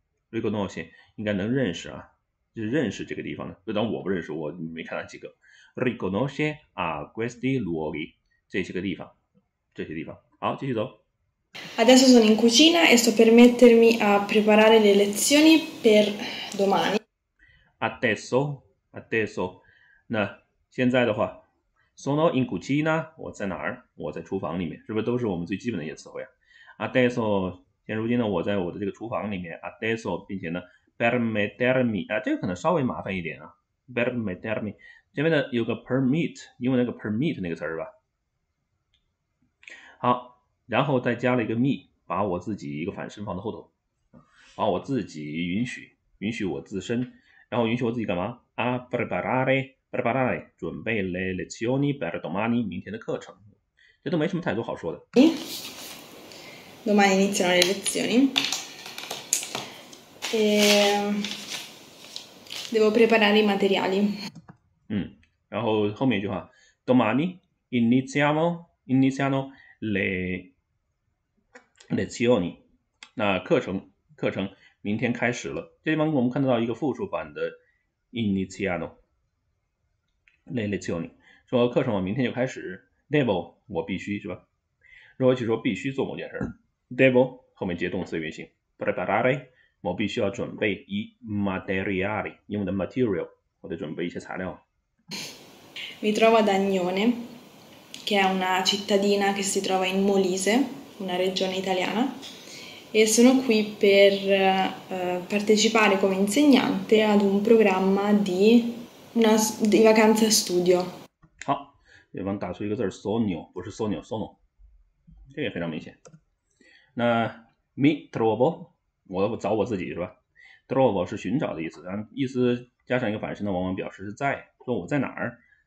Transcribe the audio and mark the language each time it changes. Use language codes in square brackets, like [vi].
[zh] Riconosce 应该能认识啊，就是认识这个地方的。就当我不认识，我没看到几个。 [it] Riconosce a questi luoghi [zh] 这些个地方，这些地方。好，继续走。 [it] Adesso sono in cucina e sto per mettermi a preparare le lezioni per domani. [zh] Adesso，那现在的话， [it] sono in cucina， [zh] 我在哪儿？我在厨房里面，是不是都是我们最基本的一些词汇啊？Adesso。现如今呢，我在我的这个厨房里面，adesso，并且呢，permettermi 啊，这个可能稍微麻烦一点啊，permettermi 前面呢有个 permit，英文那个 permit 那个词儿吧。好，然后再加了一个 me，把我自己一个反身放到后头，把我自己允许我自身，然后允许我自己干嘛？a preparare 准备 [it] le lezioni per domani [zh] 明天的课程，这都没什么太多好说的。 [it] Domani iniziano le lezioni e devo preparare i materiali. [zh] 然后后面一句话， [it] domani iniziano le lezioni， [zh] 那课程明天开始了。这地方我们看得到一个复数版的 [it] iniziano le lezioni， [zh] 说课程我明天就开始。 devo 我必须是吧？如果去说必须做某件事，devo 后面接动词原形，preparare 我必须要准备 i materiali 英文的 material 我得准备一些材料。 [it] Mi trovo ad Agnone, che è una cittadina che si trova in Molise, una regione italiana, e sono qui per partecipare come insegnante ad un programma di vacanza studio. [zh] 对方打出一个字儿 sogno，不是 sogno sono，这个也非常明显。那 mi trovo，我找我自己是吧？trovo 是寻找的意思，然后意思加上一个反身呢，往往表示是在，说我在哪儿。